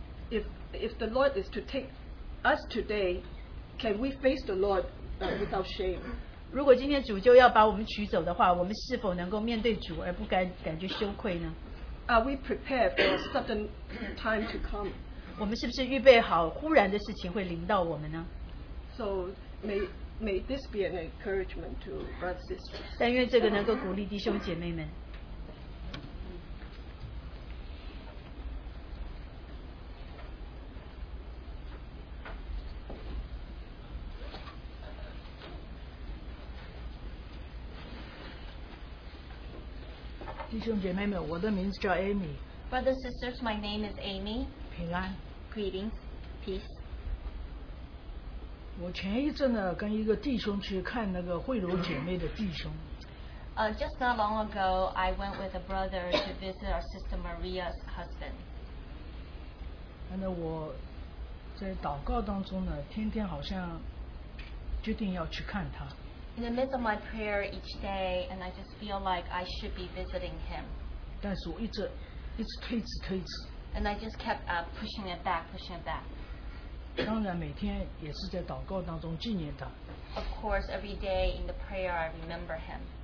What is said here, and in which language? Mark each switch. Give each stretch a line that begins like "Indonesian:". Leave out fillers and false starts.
English: If the Lord is to take us today, can we face the Lord without shame?
Chinese: 如果今天主就要把我们取走的话，我们是否能够面对主而不感觉羞愧呢？
English: Are we prepared for a sudden time to come?
Chinese: 我们是不是预备好忽然的事情会临到我们呢？
English: So may this be an encouragement to brothers and sisters.
Chinese: 但愿这个能够鼓励弟兄姐妹们。弟兄姐妹们, 我的名字叫Amy。
English: Brothers and sisters, my name is Amy.
Chinese: 平安。
English: Greetings, peace.
Chinese: 我前一阵呢跟一个弟兄去看那个慧茹姐妹的弟兄。
English: Just not long ago, I went with a brother to visit our sister Maria's husband.
Chinese: 那我在祷告当中呢，天天好像决定要去看他。
English: In the midst of my prayer each day, and I just feel like I should be visiting him.
Chinese: 但是我一直推迟推迟。
English: And I just kept pushing it back, pushing it back.
Chinese: 当然每天也是在祷告当中纪念他。
English: Of course, every day in the prayer, I remember him.